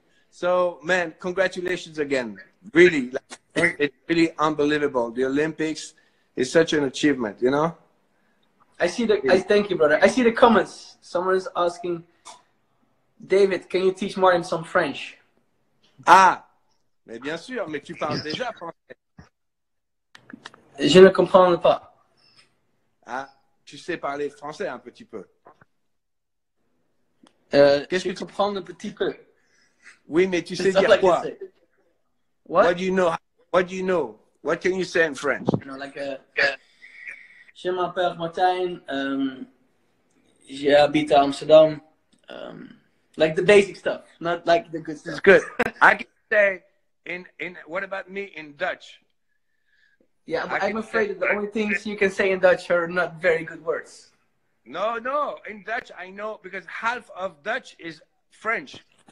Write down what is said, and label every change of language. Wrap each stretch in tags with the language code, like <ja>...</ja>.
<en>So, man, congratulations again. Really, like, it's really unbelievable. The Olympics is such an achievement, you know? Thank you, brother. I see the comments. Someone is asking, David, can you teach Martin some French?</en> <fr>Ah, mais bien sûr, mais tu parles déjà français. Je ne comprends pas. Ah, tu sais parler français un petit peu. Qu'est-ce que tu comprends un petit peu? Oui, mais tu sais dire quoi?</fr> <en>What do you know? What do you know? What can you say in French? No, like,</en> <fr>je m'appelle Martin. J'habite à Amsterdam.</fr> <en>Like the basic stuff, not like the good stuff. It's good. I can say in what about me in Dutch? Yeah, but I'm afraid that the only things you can say in Dutch are not very good words. No, no. In Dutch, I know because half of Dutch is French.</en>